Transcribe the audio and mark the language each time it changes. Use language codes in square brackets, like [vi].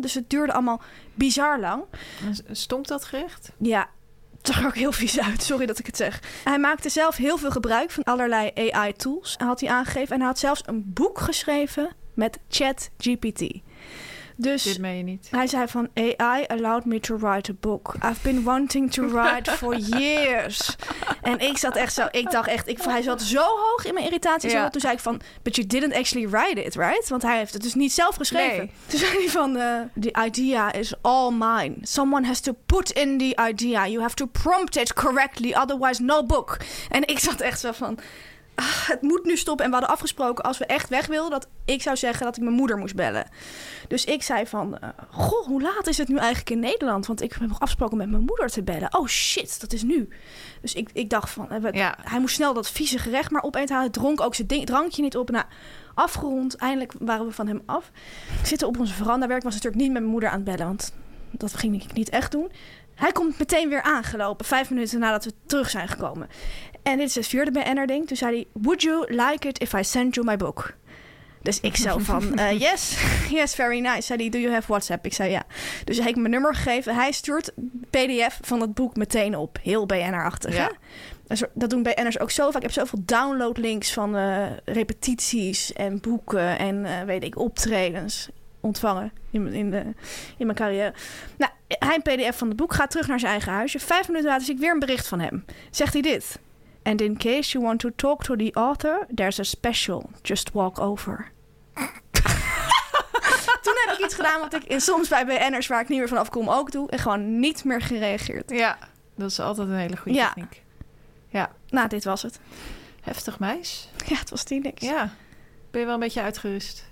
[nl] Dus het duurde allemaal bizar lang. Stonk dat gerecht? Ja. Zag ook heel vies uit, sorry dat ik het zeg. Hij maakte zelf heel veel gebruik van allerlei AI-tools, had hij aangegeven. En hij had zelfs een boek geschreven met ChatGPT. Dus dit meen je niet. Hij zei van, [en] AI allowed me to write a book. I've been wanting to write for years. [nl] En ik zat echt zo, ik dacht echt, hij zat zo hoog in mijn irritatie. Ja. Toen zei ik van, [en] but you didn't actually write it, right? [nl] Want hij heeft het dus niet zelf geschreven. Nee. Toen zei hij van, [en] the idea is all mine. Someone has to put in the idea. You have to prompt it correctly, otherwise no book. [nl] En ik zat echt zo van, het moet nu stoppen. En we hadden afgesproken, als we echt weg wilden, dat ik zou zeggen dat ik mijn moeder moest bellen. Dus ik zei van, goh, hoe laat is het nu eigenlijk in Nederland? Want ik heb afgesproken met mijn moeder te bellen. Oh shit, dat is nu. Dus ik dacht van, hij moest snel dat vieze gerecht maar opeten. Hij dronk ook zijn drankje niet op. Nou, afgerond, eindelijk waren we van hem af. Ik zit op onze veranda werk, was natuurlijk niet met mijn moeder aan het bellen. Want dat ging ik niet echt doen. Hij komt meteen weer aangelopen, 5 minuten nadat we terug zijn gekomen. En dit is het vierde BN'er ding. Toen zei hij, [en] would you like it if I send you my book? [nl] Dus ik zo van, [en] yes, yes, very nice. [nl] Zei hij, [en] do you have WhatsApp? [nl] Ik zei, ja. Dus hij heeft mijn nummer gegeven. Hij stuurt PDF van het boek meteen op. Heel BN'er-achtig, ja. Dat doen BN'ers ook zo vaak. Ik heb zoveel downloadlinks van repetities en boeken en weet ik, optredens ontvangen in mijn carrière. Nou, hij een PDF van het boek, gaat terug naar zijn eigen huisje. 5 minuten later zie ik weer een bericht van hem. Zegt hij dit. [en] And in case you want to talk to the author, there's a special. Just walk over. [nl] Toen heb ik iets gedaan wat ik soms bij BN'ers waar ik niet meer vanaf kom ook doe. En gewoon niet meer gereageerd. Ja, dat is altijd een hele goede techniek. Ja. Nou, dit was het. Heftig meis. Ja, het was die niks. Ja. Ben je wel een beetje uitgerust?